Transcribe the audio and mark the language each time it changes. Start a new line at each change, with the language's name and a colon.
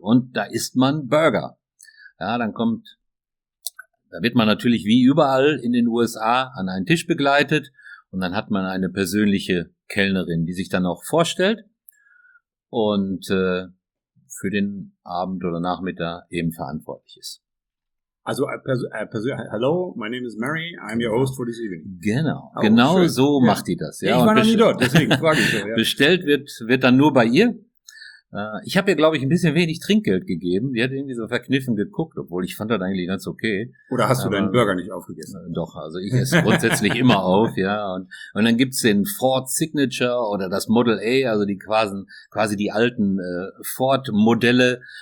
German: Und da isst man Burger. Ja, dann kommt, da wird man natürlich wie überall in den USA an einen Tisch begleitet. Und dann hat man eine persönliche Kellnerin, die sich dann auch vorstellt und für den Abend oder Nachmittag eben verantwortlich ist.
English: Also, hello, my name is Mary, I'm your host for this evening.
German: Genau, genau so macht die das. Ja, ich war noch nie dort, deswegen frage ich so. Bestellt wird dann nur bei ihr. Ich habe ihr, glaube ich, ein bisschen wenig Trinkgeld gegeben. Die hat irgendwie so verkniffen geguckt, obwohl ich fand das eigentlich ganz okay. Oder hast du deinen Burger nicht aufgegessen? Doch, also ich esse grundsätzlich immer auf, ja. Und dann gibt's den Ford Signature oder das Model A, also die quasi die alten Ford-Modelle.